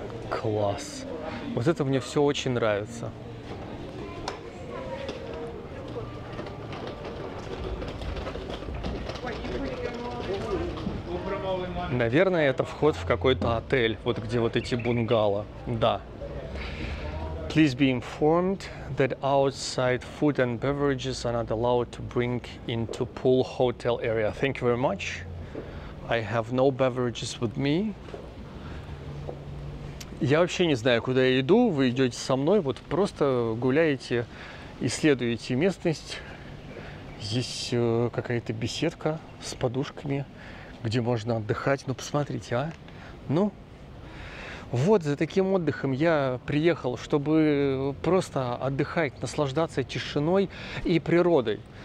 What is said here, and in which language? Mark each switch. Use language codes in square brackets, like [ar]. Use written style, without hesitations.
[ru] Класс. Вот это мне все очень нравится. Наверное, это вход в какой-то отель, вот где вот эти бунгало. Да. [en] Please be informed that outside food and beverages are not allowed to bring into pool hotel area. Thank you very much. I have no beverages with me. [ru] Я вообще не знаю, куда я иду. Вы идете со мной, вот просто гуляете, исследуете местность. Здесь какая-то беседка с подушками, где можно отдыхать. Ну, посмотрите, а? Ну, вот за таким отдыхом я приехал, чтобы просто отдыхать, наслаждаться тишиной и природой.